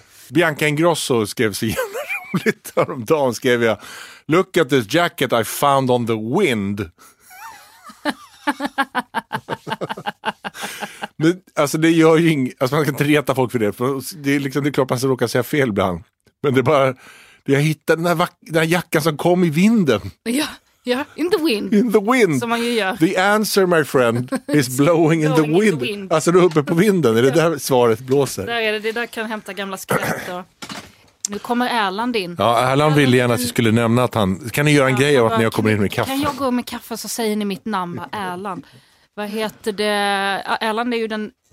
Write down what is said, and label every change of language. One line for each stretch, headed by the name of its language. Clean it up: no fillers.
Swedish: Bianca Ingrosso skrev så jävla roligt häromdagen, skrev jag
English: look at this jacket I found on the wind.
Swedish: Men, alltså det gör ju inget, alltså man kan inte reta folk för det, för det är liksom, det är klart man ska råka säga fel ibland, men det är bara det, jag hittade den här jackan som kom i vinden. Ja, ja,
English: in the wind
Swedish: som man ju gör.
English: The answer my friend is blowing in the wind.
Swedish: Alltså du är uppe på vinden, är det där svaret blåser? Där är det, det där kan hämta gamla skratt då. Nu kommer Erland in. Ja, Erland ville gärna att jag skulle nämna att han... Kan ni göra en grej av att när jag kommer in med kaffe? Kan jag gå med kaffe så säger ni mitt namn, Erland. Vad heter det? Erland är ju den...